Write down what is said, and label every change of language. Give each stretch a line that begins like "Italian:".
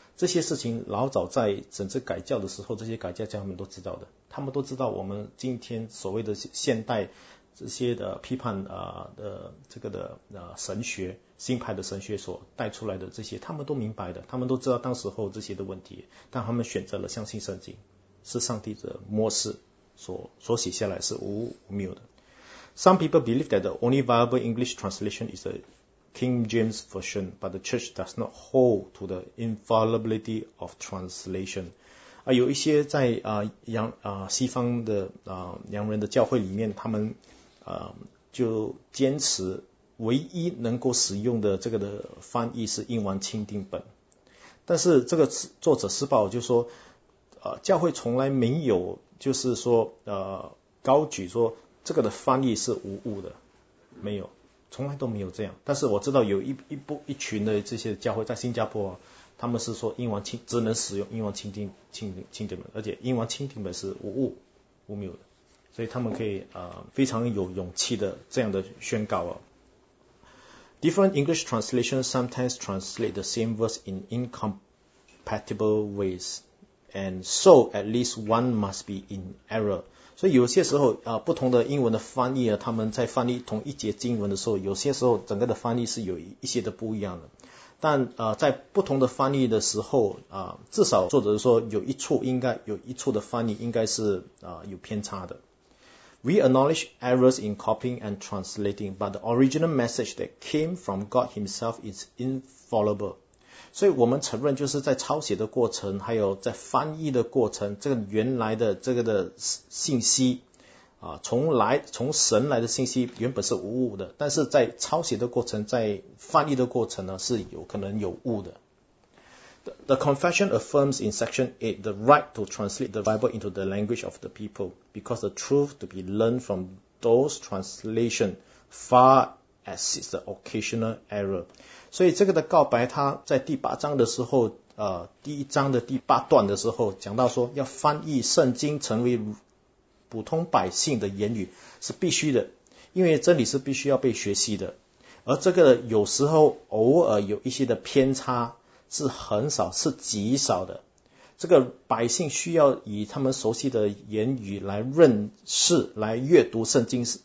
Chinese: 这些事情老早在整治改教的时候，这些改教家们都知道的，他们都知道我们今天所谓的现代这些的批判这个的神学新派的神学所带出来的这些，他们都明白的，他们都知道当时候这些的问题，但他们选择了相信圣经是上帝的默示所写下来是无谬的。
English: Some people believe that the only viable English translation is King James Version, but the church does not hold to the infallibility of translation.
Chinese: 有一些在西方的洋人的教会里面，他们就坚持唯一能够使用的这个的翻译是英文钦定本。但是这个作者施暴就说教会从来没有就是说高举说这个的翻译是无误的，没有。从来都没有这样，但是我知道有一群的这些教会在新加坡，他们是说英文只能使用英文钦定本，而且英文钦定本是无误无谬的，所以他们可以非常有勇气的这样的宣告。
English: Different English translations sometimes translate the same verse in incompatible ways, and so at least one must be in error.
Chinese: 所以有些时候不同的英文的翻译他们在翻译同一节经文的时候，有些时候整个的翻译是有一些的不一样的。但在不同的翻译的时候至少作者说有一处的翻译应该是有偏差的。
English: We acknowledge errors in copying and translating, but the original message that came from God himself is infallible.
Chinese: 所以我们承认就是在抄写的过程还有在翻译的过程，这个原来的这个的信息从神来的信息原本是无误的，但是在抄写的过程在翻译的过程呢是有可能有误的。
English: The confession affirms in section 8 the right to translate the Bible into the language of the people because the truth to be learned from those translation far exceeds the occasional error.
Chinese: 所以这个的告白他在第八章的时候第一章的第八段的时候讲到说要翻译圣经成为普通百姓的言语是必须的，因为真理是必须要被学习的，而这个有时候偶尔有一些的偏差是很少是极少的，这个百姓需要以他们熟悉的言语来认识来阅读圣经